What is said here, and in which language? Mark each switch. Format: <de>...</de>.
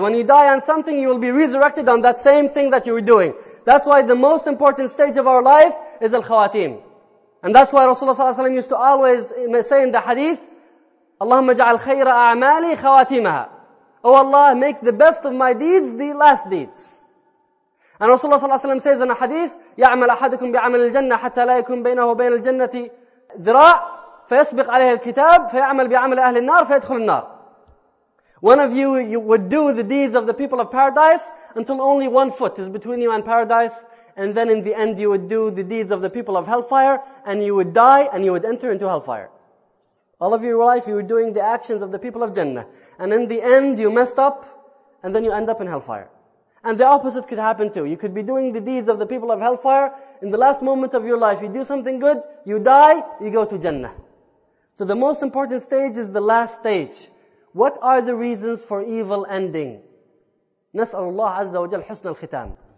<en>When you die on something, you will be resurrected on that same thing that you were doing. That's why the most important stage of our life is al-khawatim. And that's why Rasulullah صلى الله عليه وسلم used to always say in the hadith,</en> <ar>اللهم اجعل خير أعمالي خواتيمها.</ar> <en>Oh Allah, make the best of my deeds the last deeds. And Rasulullah صلى الله عليه وسلم says in a hadith,</en> <ar>يعمل أحدكم بعمل الجنة حتى لا يكون بينه وبين الجنة ذراع فيسبق عليه الكتاب فيعمل بعمل أهل النار فيدخل النار.</ar> <en>One of you would do the deeds of the people of paradise until only one foot is between you and paradise. And then in the end, you would do the deeds of the people of hellfire and you would die and you would enter into hellfire. All of your life, you were doing the actions of the people of Jannah. And in the end, you messed up and then you end up in hellfire. And the opposite could happen too. You could be doing the deeds of the people of hellfire. In the last moment of your life, you do something good, you die, you go to Jannah. So the most important stage is the last stage. What are the reasons for evil ending?</en> <ar>نسأل الله عز وجل حسن الختام.</ar>